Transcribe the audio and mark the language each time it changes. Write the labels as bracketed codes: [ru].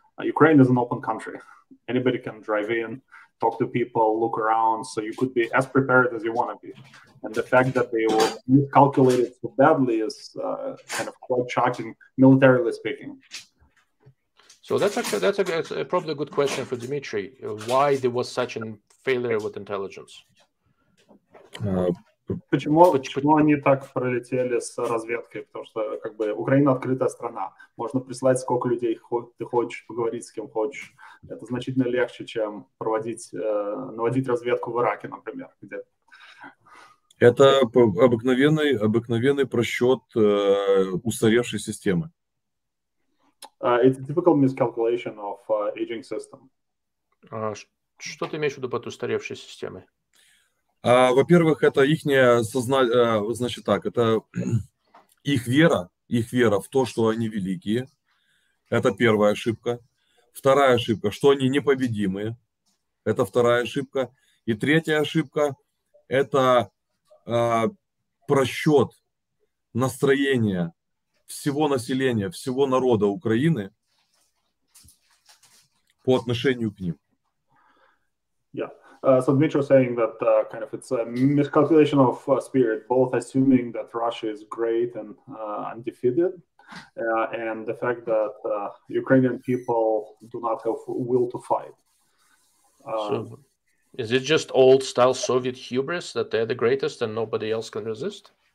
[en] Ukraine is an open country. Anybody can drive in, talk to people, look around, so you could be as prepared as you want to be. And the fact that they were miscalculated so badly is kind of quite shocking, militarily speaking. So that's probably a good question for Dmitry. Why there was such a failure with intelligence? [ru] Почему они так пролетели с разведкой? Потому что как бы Украина открытая страна. Можно прислать сколько людей ты хочешь, поговорить с кем хочешь. Это значительно легче, чем наводить разведку в Ираке, например, где. Это обыкновенный просчет устаревшей системы. [en] It's a typical miscalculation of aging system. [ru] Что ты имеешь в виду под устаревшей системой? Во-первых, это ихнее сознание, значит так, это их вера в то, что они великие. Это первая ошибка. Вторая ошибка, что они непобедимые. Это вторая ошибка. И третья ошибка, это просчет настроения всего населения, всего народа Украины по отношению к ним. [en] Yeah, so Dmitry was saying that kind of it's a miscalculation of spirit, both assuming that Russia is great and undefeated, and the fact that Ukrainian people do not have will to fight. So, is it just old style Soviet hubris that they're the greatest and nobody else can resist?